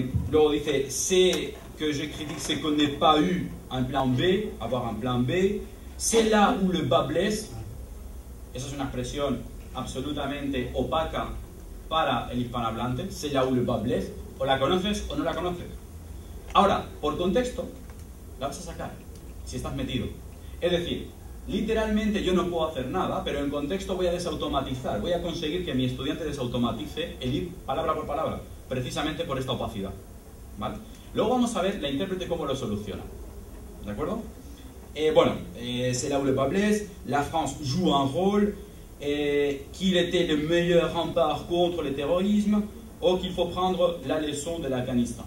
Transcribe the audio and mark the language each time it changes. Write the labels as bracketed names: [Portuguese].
[Spanish] Luego dice [French] sé que je critique ce qu'on n'ait pas eu un plan B, avoir un plan B. C'est là où le bât blesse. [Spanish] Esa es una expresión absolutamente opaca para el hispanohablante. [French] C'est là où le bât blesse. [Spanish] O la conoces o no la conoces. Ahora, por contexto, la vas a sacar si estás metido. Es decir, literalmente yo no puedo hacer nada, pero en contexto voy a desautomatizar. Voy a conseguir que mi estudiante desautomatice el ir palabra por palabra, precisamente por esta opacidad. ¿Vale? Luego vamos a ver la intérprete cómo lo soluciona. ¿De acuerdo? [French] Bueno, c'est là où le bât blesse, la France joue un rôle, qu'il était le meilleur rempart contre le terrorisme, o qu'il faut prendre la leçon de l'Afghanistan.